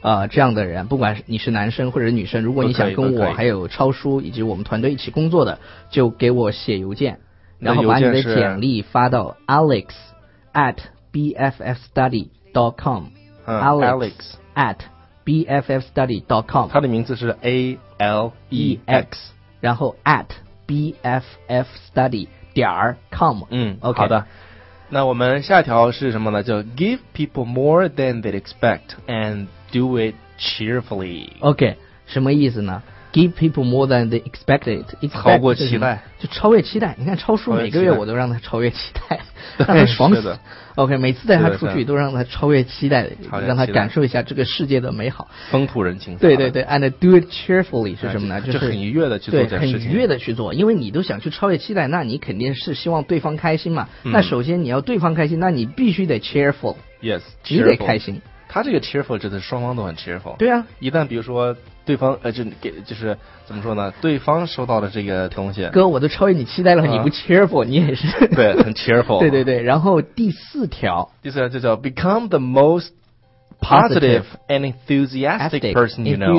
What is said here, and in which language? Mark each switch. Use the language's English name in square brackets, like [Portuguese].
[Chinese] 这样的人，不管你是男生或者女生，如果你想跟我还有超叔以及我们团队一起工作的，就给我写邮件，然后把你的简历发到 alex@bffstudy.com、alex@bffstudy.com。他的名字是 A-L-E-X，然后 @bffstudy.com。嗯、 [English] okay、 [Chinese] 好的，那我们下一条是什么呢，叫 [English] give people more than they expect and do it cheerfully。 [Chinese] OK， 什么意思呢？ [English] Give people more than they expected， [Chinese] 超过期待、就是、就超越期待。你看超叔每个月我都让他超越期待，对，让他爽死。 OK， 每次带他出去都让他超越期待，让他感受一下这个世界的美好，风土人情。对对对， [English] and do it cheerfully [Chinese] 是什么呢、就是很愉悦的去做这件事情。对，很愉悦的去做，因为你都想去超越期待，那你肯定是希望对方开心嘛、嗯、那首先你要对方开心，那你必须得 cheerful。 [English] Yes， [Chinese] 你得开心。他这个 cheerful 指的是双方都很 cheerful。对啊，一旦比如说对方就是怎么说呢，对方收到了这个东西，哥我都超越你期待了、你不 cheerful 你也是，对，很 cheerful。对对对，然后第四条就叫 [English] become the most positive and enthusiastic person you know。